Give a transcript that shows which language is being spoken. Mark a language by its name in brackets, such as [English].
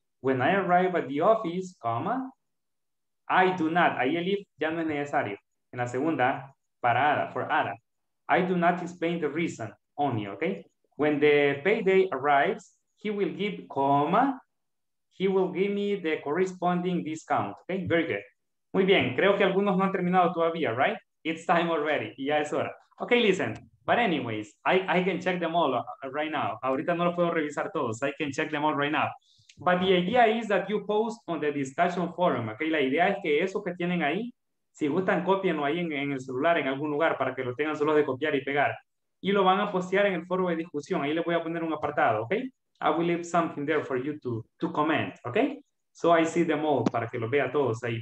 [English] When I arrive at the office, comma, I do not. [Spanish] Ahí el if ya no es necesario. En la segunda, para Ada, [English] for Ada. I do not explain the reason only, okay? When the payday arrives, he will give, comma, he will give me the corresponding discount, okay? Very good. [Spanish] Muy bien, creo que algunos no han terminado todavía, right? [English] It's time already, [Spanish] y ya es hora. [English] Okay, listen, but anyways, I can check them all right now. [Spanish] Ahorita no lo puedo revisar todos, [English] I can check them all right now. But the idea is that you post on the discussion forum, okay? [Spanish] La idea es que eso que tienen ahí, si gustan, copienlo ahí en el celular, en algún lugar, para que lo tengan solo de copiar y pegar. Y lo van a postear en el foro de discusión. Ahí les voy a poner un apartado, ¿ok? [English] I will leave something there for you to comment, [Spanish] ¿ok? [English] So I see them all, [Spanish] para que los vea todos ahí.